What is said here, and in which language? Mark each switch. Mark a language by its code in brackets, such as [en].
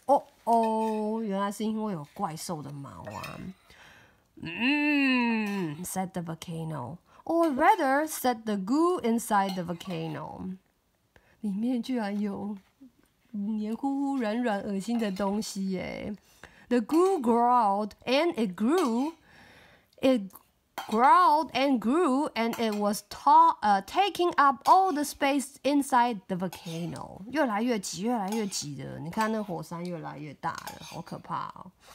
[zh] Oh, 原来是因为有怪兽的毛啊。 [en] Said the volcano. Or rather, said the goo inside the volcano. [zh] 里面居然有黏糊糊、软软、恶心的东西耶。 [en] The goo growled and it grew. It growled and grew, and it was taking up all the space inside the volcano. [zh] 越来越挤，越来越挤的。你看那火山越来越大了，好可怕哦！